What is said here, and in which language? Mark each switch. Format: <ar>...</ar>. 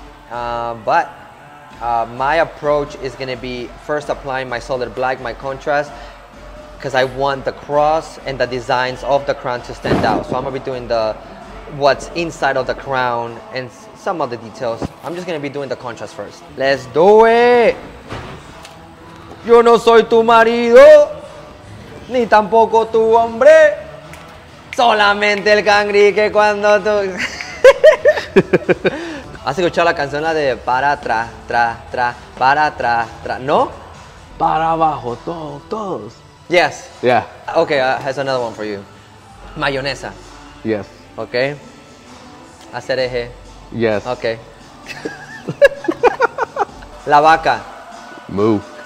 <en>My approach is gonna be first applying my solid black, my contrast, because I want the cross and the designs of the crown to stand out. So I'm gonna be doing the what's inside of the crown and some other details. I'm just gonna be doing the contrast first. Let's do it!</en> <es>Yo no soy tu marido, ni tampoco tu hombre, solamente el cangrique cuando tú... ¿Has escuchado la canción la de para atrás, tra, tra, para atrás, tra, no? Para abajo, todos, todos.</es> <en>Yes. Yeah. Okay, here's another one for you.</en> <es>Mayonesa.</es> <en>Yes.</en> <es>Okay. Hacer eje.</es> <en>Yes. Okay.</en> <es>La vaca. Moo.</es>